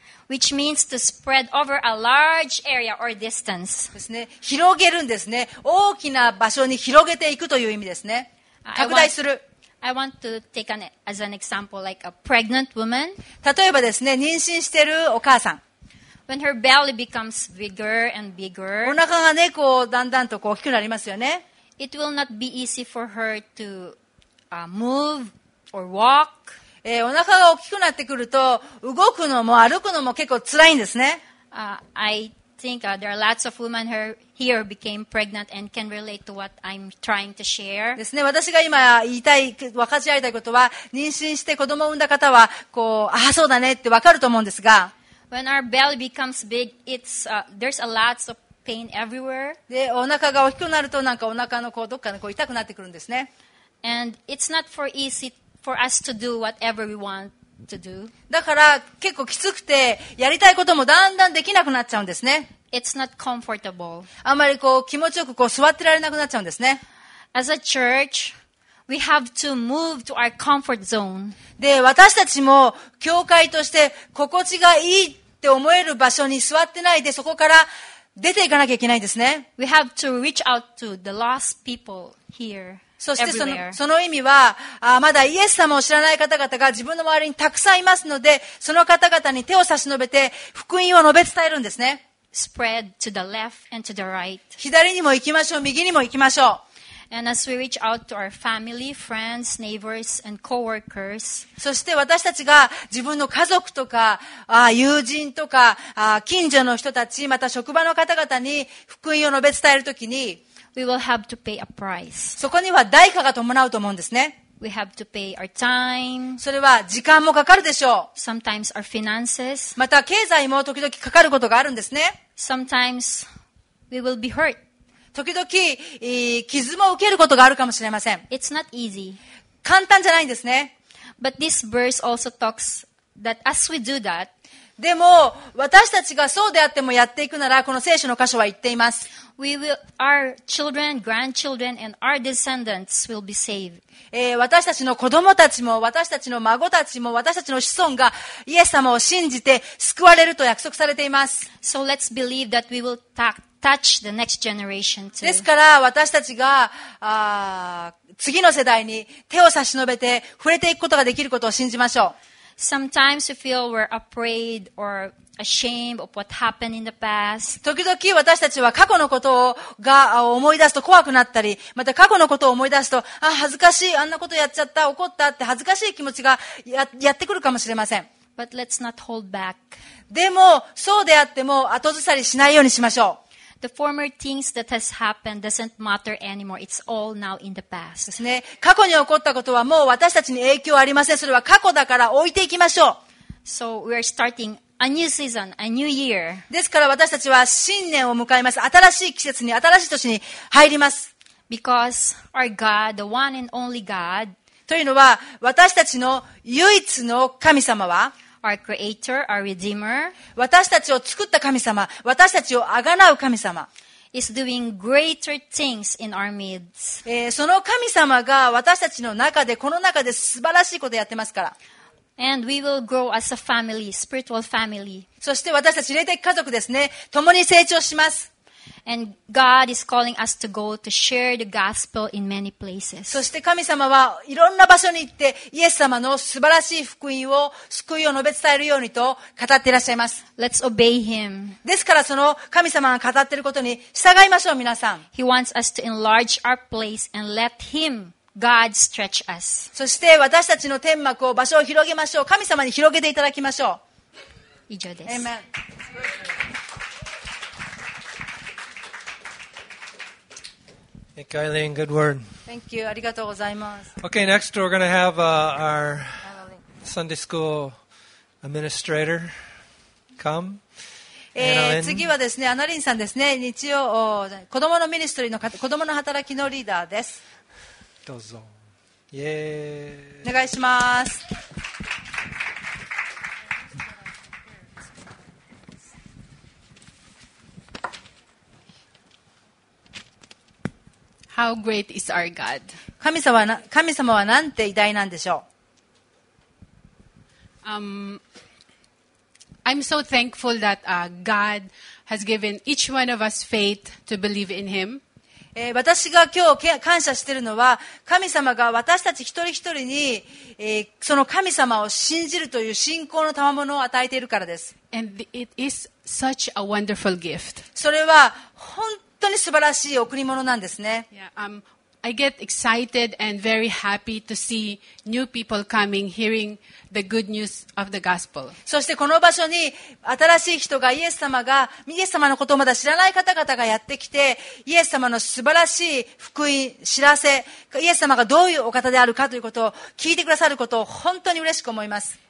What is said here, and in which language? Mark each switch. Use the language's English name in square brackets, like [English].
[English] Which means to spread over a large area or distance. [Japanese] ですね。広げるんですね。大きな場所に広げていくという意味ですね。拡大する。 [English] I want to take an example like a pregnant woman. [Japanese] 例えばですね、妊娠してるお母さん。 [English] When her belly becomes bigger and bigger. [Japanese] お腹がね、こう、だんだんとこう大きくなりますよね。 [English] It will not be easy for her to, move or walk. [Japanese] お腹が大きくなってくると動くのも歩くのも結構辛いんですね。 [English] I think there are lots of women here became pregnant and can relate to what I'm trying to share. [Japanese] ですね。私が今言いたい、分かち合いたいことは、妊娠して子供を産んだ方はこう、ああそうだねって分かると思うんですが。 [English] When our belly becomes big, there's a lots of pain everywhere. [Japanese] で、お腹が大きくなるとなんかお腹のこうどっかのこう痛くなってくるんですね。 [English] And it's not for easy. For us to do whatever we want to do. [Japanese] だから結構きつくてやりたいこともだんだんできなくなっちゃうんですね。 [English] It's not comfortable. [Japanese] あまりこう気持ちよくこう座ってられなくなっちゃうんですね。 [English] As a church, we have to move to our comfort zone. [Japanese] で、私たちも教会として心地がいいって思える場所に座ってないでそこから出ていかなきゃいけないんですね。 [English] We have to reach out to the lost people here. [Japanese] そしてその意味は、まだイエス様を知らない方々が自分の周りにたくさんいますので、その方々に手を差し伸べて、福音を述べ伝えるんですね。 [English] Spread to the left and to the right. [Japanese] 左にも行きましょう、右にも行きましょう。 [English] And as we reach out to our family, friends, neighbors, and coworkers. [Japanese] そして私たちが自分の家族とか、友人とか、近所の人たち、また職場の方々に福音を述べ伝えるときに、 [English] We will have to pay a price. [Japanese] そこには代価が伴うと思うんですね。 [English] We have to pay our time. [Japanese] それは時間もかかるでしょう。 [English] Sometimes our finances. [Japanese] また経済も時々かかることがあるんですね。 [English] Sometimes we will be hurt. [Japanese] 時々、傷も受けることがあるかもしれません。 [English] It's not easy. [Japanese] 簡単じゃないんですね。 [English] But this verse also talks that as we do that, [Japanese] でも私たちがそうであってもやっていくならこの聖書の箇所は言っています。 [English] We will, our children, grandchildren, and our descendants will be saved. [Japanese] 私たちの子供たちも私たちの孫たちも私たちの子孫がイエス様を信じて救われると約束されています。 [English] So let's believe that we will touch the next generation too. [Japanese] ですから私たちが次の世代に手を差し伸べて触れていくことができることを信じましょう。 [English] Sometimes we feel we're afraid or ashamed of what happened in the past. [Japanese] 時々私たちは過去のことが思い出すと怖くなったり、また過去のことを思い出すと、あ、恥ずかしい、あんなことやっちゃった、怒ったって恥ずかしい気持ちが やってくるかもしれません。 [English] But let's not hold back. [Japanese] でも、そうであっても後ずさりしないようにしましょう。 [English] The former things that has happened doesn't matter anymore. It's all now in the past. [Japanese] ですね。過去に起こったことはもう私たちに影響ありません。それは過去だから置いていきましょう。 [English] So we are starting a new season, a new year. [Japanese] ですから私たちは新年を迎えます。新しい季節に、新しい年に入ります。 [English] Because our God, the one and only God, [Japanese] というのは私たちの唯一の神様は、 [English] Our Creator, our Redeemer, [Japanese] 私たちを作った神様、私たちをあがなう神様、 [English] is doing greater things in our midst. [Japanese] その神様が私たちの中で、この中で素晴らしいことをやってますから。 [English] And we will grow as a family, spiritual family. [Japanese] そして私たち霊的家族ですね、共に成長します。 [English] And God is calling us to go to share the gospel in many places. [Japanese] そして神様はいろんな場所に行ってイエス様の素晴らしい福音を救いを述べ伝えるようにと語っていらっしゃいます。 [English] Let's obey Him. [Japanese] ですからその神様が語っていることに従いましょう皆さん。 [English] He wants us to enlarge our place and let Him, God, stretch us. [Japanese] そして私たちの天幕を場所を広げましょう。神様に広げていただきましょう。以上です。 [English] Amen. Thank you, Eileen. Good word. Thank you. [Japanese] ありがとうございます。 [English] Okay, next we're going to have our Sunday school administrator come. [Japanese] 次はですね、アナリンさんですね。日曜子供のミニストリーの子供の働きのリーダーです。どうぞ。イエーイ。お願いします。 [English] How great is our God? [Japanese] 神様はなんて偉大なんでしょう。 [English] I'm so thankful that God has given each one of us faith to believe in Him. [Japanese] 私が今日感謝しているのは、神様が私たち一人一人に、その神様を信じるという信仰の賜物を与えているからです。 [English] And it is such a wonderful gift. [Japanese] それは本当に素晴らしい贈り物なんですね。 [English] I get excited and very happy to see new people coming, hearing the good news of the gospel. [Japanese] そしてこの場所に新しい人がイエス様のことをまだ知らない方々がやってきて、イエス様の素晴らしい福音、知らせ、イエス様がどういうお方であるかということを聞いてくださることを本当に嬉しく思います。